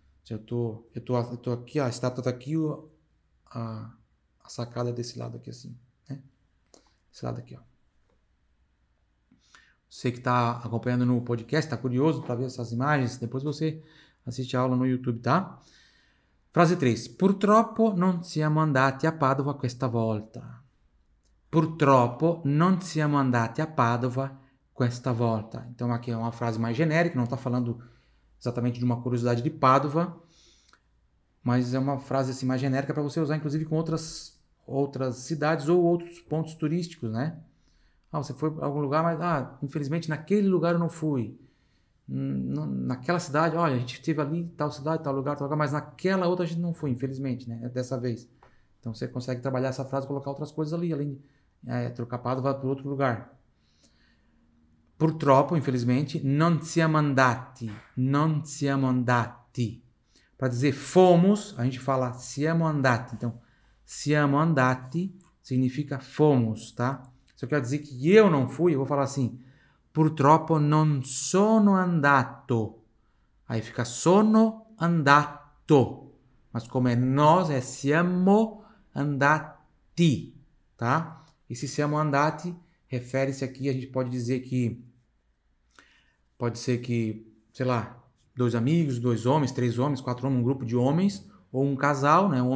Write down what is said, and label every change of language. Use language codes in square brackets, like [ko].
[pt] Eu tô aqui, a estátua tá aqui, a sacada é desse lado aqui, assim, né? Esse lado aqui, ó. Você que tá acompanhando no podcast, tá curioso para ver essas imagens, depois você assiste a aula no YouTube, tá? Frase 3. [it] Purtroppo non siamo andati a Padova questa volta. Purtroppo non siamo andati a Padova questa volta. [pt] Então aqui é uma frase mais genérica, não tá falando exatamente de uma curiosidade de Padova, mas é uma frase assim mais genérica para você usar inclusive com outras cidades ou outros pontos turísticos, né? Ah, você foi para algum lugar, mas infelizmente naquele lugar eu não fui. Naquela cidade, olha, a gente esteve ali, tal cidade, tal lugar, mas naquela outra a gente não foi, infelizmente, né? Dessa vez. Então você consegue trabalhar essa frase e colocar outras coisas ali, além de trocar Padova para outro lugar. [it] Purtroppo, infelizmente, non siamo andati, non siamo andati. [pt] Para dizer fomos, a gente fala [it] siamo andati. [pt] Então, siamo andati significa fomos, tá? Se eu quero dizer que eu não fui, eu vou falar assim. [it] Purtroppo non sono andato. [pt] Aí fica [it] sono andato. [pt] Mas como é nós, é [it] siamo andati, [pt] tá? E se [it] siamo andati, [pt] refere-se aqui, a gente pode dizer que. Pode ser que, sei lá. Dois amigos, dois homens, três homens, quatro homens, um grupo de homens, ou um casal, né?